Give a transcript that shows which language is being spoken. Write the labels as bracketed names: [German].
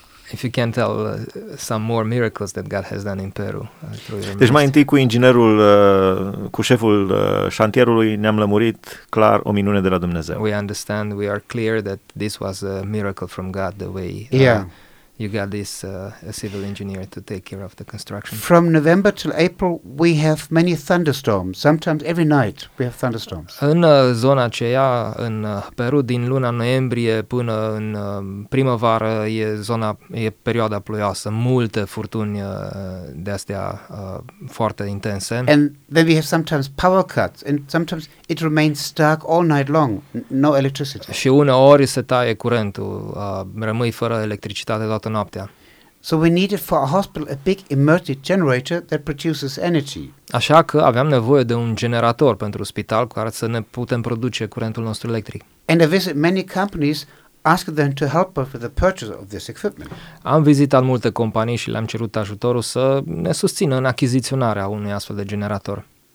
[English] If you can tell some more miracles that God has done in Peru. [Romanian] Deci mai întâi cu inginerul, cu șeful șantierului, ne-am lămurit clar o minune de la Dumnezeu. [English] We understand, we are clear that this was a miracle from God, the way you got this civil engineer to take care of the construction. From November till April, we have many thunderstorms. Sometimes every night we have thunderstorms. [Romanian] În zona aceea, în Peru, din luna noiembrie până în primăvară, e perioada ploioasă, multe furtuni de astea foarte intense. [English] And then we have sometimes power cuts, and sometimes it remains stuck all night long, no electricity. [Romanian] Și uneori se taie curentul, rămâi fără electricitate toată noaptea. [English] So we needed for a hospital a big emergency generator that produces energy. [Romanian] Așa că aveam nevoie de un generator pentru spital cu care să ne putem produce curentul nostru electric. [English] And I visited many companies, asked them to help us with the purchase of this equipment. [Romanian] Am vizitat multe companii și le-am cerut ajutorul să ne susțină în achiziționarea unui astfel de generator.